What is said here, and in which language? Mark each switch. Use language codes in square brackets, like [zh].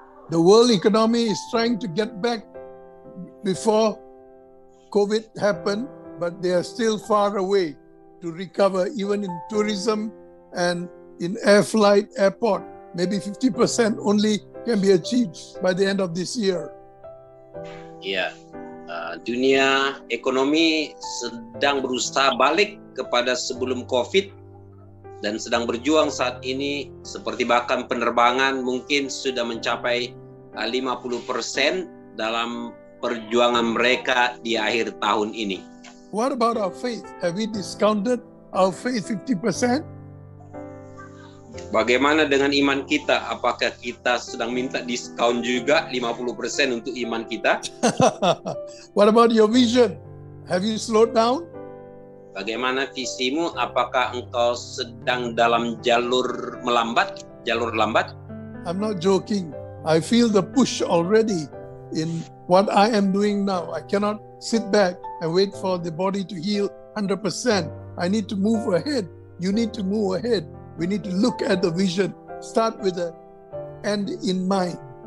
[en] The world economy is trying to get back before COVID happened, but they are still far away to recover, even in tourism and in air flight, airport. Maybe 50% only can be achieved by the end of this year. Yeah. [id] Dunia ekonomi sedang berusaha balik kepada sebelum COVID dan sedang berjuang saat ini, seperti bahkan penerbangan mungkin sudah mencapai 50% dalam perjuangan mereka di akhir tahun ini. [en] What about our faith? Have we discounted our faith 50%? [id] Bagaimana dengan iman kita? Apakah kita sedang minta diskon juga 50% untuk iman kita? [en] What about your vision? Have you slowed down? [id] Bagaimana visimu? Apakah engkau sedang dalam jalur melambat? Jalur lambat? [en] I'm not joking. I feel the push already in what I am doing now. I cannot sit back and wait for the body to heal 100%. I need to move ahead. You need to move ahead. We need to look at the vision. Start with the end in mind.